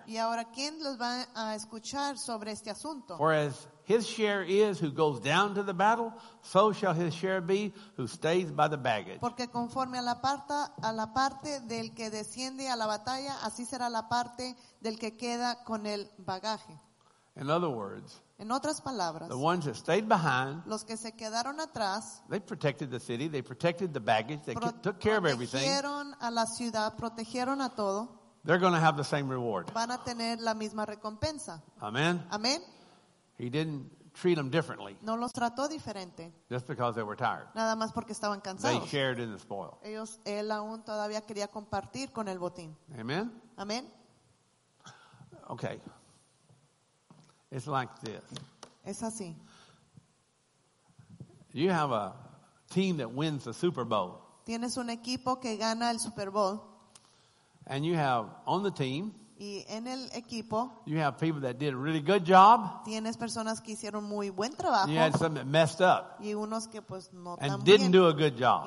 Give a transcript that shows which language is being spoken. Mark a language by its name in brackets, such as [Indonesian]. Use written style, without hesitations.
[Spanish] Y ahora, ¿quién los va a escuchar sobre este asunto? [English] For as his share is who goes down to the battle, so shall his share be who stays by the baggage. [Spanish] Porque conforme a la parte del que desciende a la batalla, así será la parte del que queda con el bagaje. [English] In other words, [Spanish] en otras palabras, [English] the ones that stayed behind, [Spanish] los que se quedaron atrás, [English] they protected the city, they protected the baggage, they took care of everything. [Spanish] Protegieron a la ciudad, protegieron a todo. [English] They're going to have the same reward. [Spanish] Van a tener la misma recompensa. [English] Amen. [Spanish] Amen. [English] He didn't treat them differently. [Spanish] No los trató diferente. [English] Just because they were tired. [Spanish] Nada más porque estaban cansados. [English] They shared in the spoil. [Spanish] Él aún todavía quería compartir con el botín. [English] Amen. [Spanish] Amen. [English] Okay. It's like this. [Spanish] Es así. [English] You have a team that wins the Super Bowl. [Spanish] Tienes un equipo que gana el Super Bowl. [English] And you have on the team. [Spanish] Y en el equipo. [English] You have people that did a really good job. [Spanish] Tienes personas que hicieron muy buen trabajo. [English] You had some that messed up. [Spanish] Y unos que pues no tan [English] bien. And didn't do a good job.